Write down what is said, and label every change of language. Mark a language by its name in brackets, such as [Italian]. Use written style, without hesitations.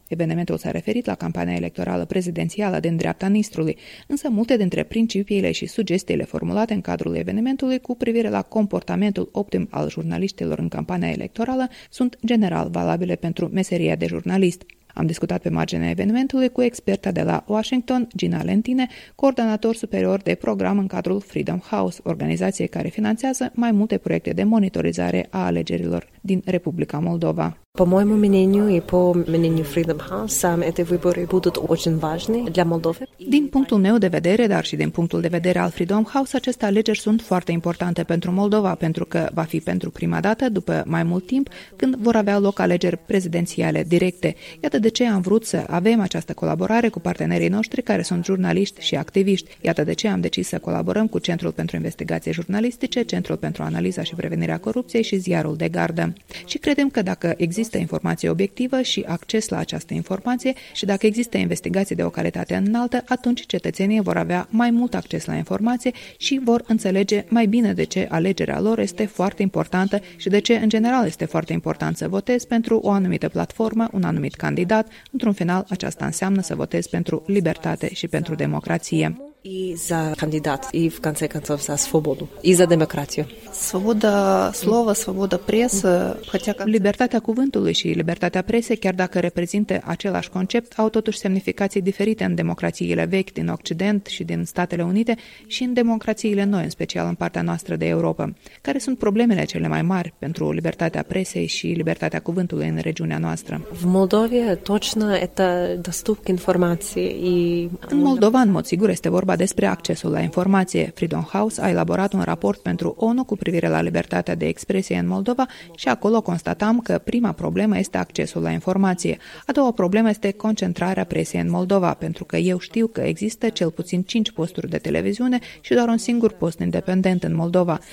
[Romanian] Evenimentul s-a referit la campania electorală prezidențială din dreapta Nistrului, însă multe dintre principiile și sugestiile formulate în cadrul evenimentului cu privire la comportamentul optim al jurnaliștilor în campania electorală sunt general valabile pentru meseria de jurnalist. Am discutat pe marginea evenimentului cu experta de la Washington, Gina Lentine, coordonator superior de program în cadrul Freedom House, organizație care finanțează mai multe proiecte de monitorizare a alegerilor din Republica Moldova. [Russian] По моему мнению и по мнению Freedom House, сами эти выборы будут очень важны для Молдовы. [Romanian] Din punctul meu de vedere, dar și din punctul de vedere al Freedom House, aceste alegeri sunt foarte importante pentru Moldova, pentru că va fi pentru prima dată, după mai mult timp, când vor avea loc alegeri prezidențiale directe. Iată de ce am vrut să avem această colaborare cu partenerii noștri care sunt jurnaliști și activiști. Iată de ce am decis să colaborăm cu Centrul pentru Investigație Jurnalistice, Centrul pentru Analiza și Prevenirea Corupției și Ziarul de Gardă. Și credem că dacă există informație obiectivă și acces la această informație și dacă există investigații de o calitate înaltă, atunci cetățenii vor avea mai mult acces la informație și vor înțelege mai bine de ce alegerea lor este foarte importantă și de ce, în general, este foarte important să votez pentru o anumită platformă, un anumit candidat. Într-un final, aceasta înseamnă să votez pentru libertate și pentru democrație. [Russian] И за кандидат, и в конце концов за свободу, и за демократию. Свобода слова, свобода прессы, хотя как... [Romanian] Libertatea cuvântului și libertatea presei, chiar dacă reprezintă același concept, au totuși semnificații diferite în democrațiile vechi din Occident și din Statele Unite și în democrațiile noi, în special în partea noastră de Europa. Care sunt problemele cele mai mari pentru libertatea presei și libertatea cuvântului în regiunea noastră? [Russian] В Молдове точно это доступ к информации и... [Romanian] În Moldova, în mod sigur, este vorba despre accesul la informație. Freedom House a elaborat un raport pentru ONU cu privire la libertatea de expresie în Moldova și acolo constatam că prima problemă este accesul la informație. A doua problemă este concentrarea presiei în Moldova, pentru că eu știu că există cel puțin 5 posturi de televiziune și doar un singur post independent în Moldova.